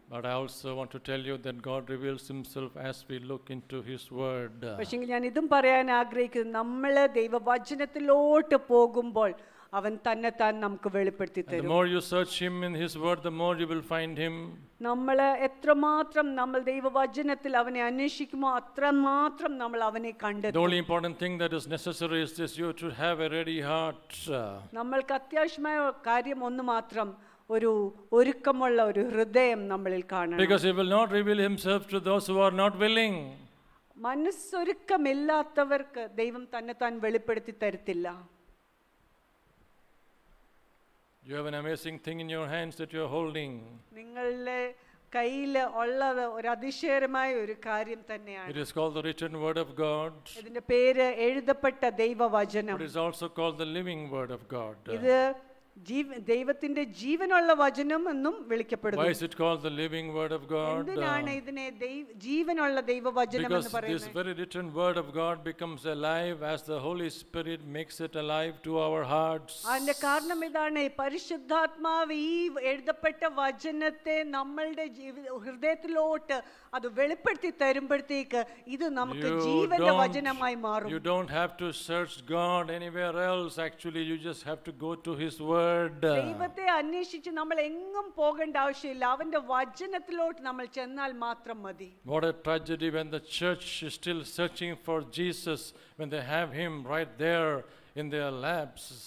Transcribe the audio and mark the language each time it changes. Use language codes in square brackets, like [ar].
[en] But I also want to tell you that God reveals himself as we look into his word. [ml] പക്ഷേ ഞാൻ ഇതും പറയാൻ ആഗ്രഹിക്കുന്നു, നമ്മൾ ദൈവവചനത്തിലോട്ട് പോകുമ്പോൾ അവൻ തന്നെ താൻ നമുക്ക് വെളിപ്പെടുത്തി തരും. [en] The more you search him in his word, the more you will find him. [ml] നമ്മൾ എത്രമാത്രം നമ്മൾ ദൈവവചനത്തിൽ അവനെ അന്വേഷിക്കുമോ അത്രമാത്രം നമ്മൾ അവനെ കണ്ടെത്തും. [en] The only important thing that is necessary is this, you to have a ready heart. [ml] നമ്മൾക്ക് അത്യാവശ്യമായ കാര്യം ഒന്ന് മാത്രം, ഒരു ഒരുക്കമുള്ള ഒരു ഹൃദയം നമ്മളിൽ കാണണം. [en] Because he will not reveal himself to those who are not willing. [ml] മനസ്സൊരുക്കമില്ലാത്തവർക്ക് ദൈവം തന്നെ താൻ വെളിപ്പെടുത്തി തരത്തില്ല. [en] You have an amazing thing in your hands that you are holding. [ml] നിങ്ങളുടെ കയ്യിൽ ഉള്ളത് ഒരു അതിശയകരമായ ഒരു കാര്യം തന്നെയാണ്. [en] It is called the written word of God. [ml] ഇതിന്റെ പേര് എഴുതപ്പെട്ട ദൈവവചനം. [en] It is also called the living word of God. [ml] ഇത് ദൈവത്തിന്റെ ജീവനുള്ള വചനം എന്നും വിളിക്കപ്പെടുന്നു. [en] Why is it called the living word of God? [ml] എന്തിനാണ് ഇതിനെ ജീവനുള്ള ദൈവവചനം എന്ന് പറയുന്നത്? [en] Because this very written word of God becomes alive as the Holy Spirit makes it alive to our hearts. [ml] അതിന്റെ കാരണം ഇതാണ്, പരിശുദ്ധാത്മാവ് ഈ എഴുതപ്പെട്ട വചനത്തെ നമ്മളുടെ ഹൃദയത്തിലോട്ട് അത് വെളിപ്പെടുത്തി തരുമ്പോഴത്തേക്ക് ഇത് നമുക്ക് ജീവന്റെ വചനമായി മാറും. [en] You don't have to search God anywhere else. Actually, you just have to go to his word. [ml] ദൈവത്തെ അന്വേഷിച്ച് നമ്മൾ എങ്ങും പോകേണ്ട ആവശ്യമില്ല, അവന്റെ വചനത്തിലോട്ട് നമ്മൾ ചെന്നാൽ മാത്രം മതി. [en] What a tragedy when the church is still searching for Jesus when they have him right there in their laps.